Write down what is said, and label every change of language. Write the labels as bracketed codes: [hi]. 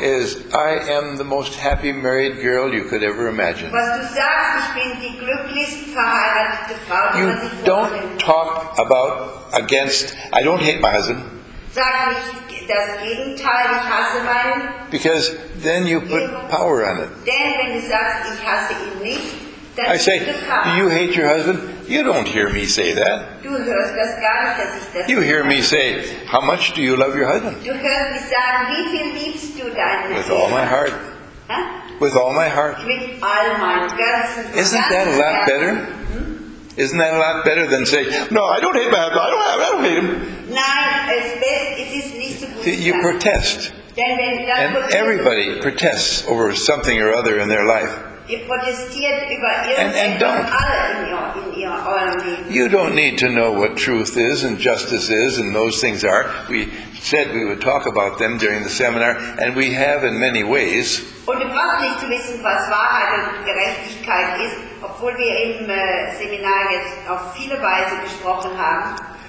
[en] is, I am the most happy married girl you could ever imagine. [de] Was du sagst, ich bin die glücklichste verheiratete Frau, [en] you [de] was ich don't vorhin. [en] Talk about against, I don't hate my husband. [de] Sag nicht das Gegenteil, ich hasse meinen. [en] Because then you put power on it. [de] Denn wenn du sagst, ich hasse ihn nicht, [en] I say, do you hate your husband? You don't hear me say that. [de] Du hörst das gar nicht, dass ich das [en] you hear me say, how much do you love your husband? [de] Du hörst mich sagen, wie viel liebst du deinen Mann? [en] With all my heart. Huh? With all my heart. [de] Mit all mein Herz. [en] Isn't that a lot better? Isn't that a lot better than say, no, I don't hate my husband. I don't hate him. [de] Nein, es ist nicht so gut. [en] You protest. And everybody protests over something or other in their life. And don't. You don't need to know what truth is and justice is and those things are. We said we would talk about them during the seminar, and we have in many ways. [de] Und du brauchst nicht zu wissen, was Wahrheit und Gerechtigkeit ist, obwohl wir im Seminar jetzt auf viele Weise gesprochen haben.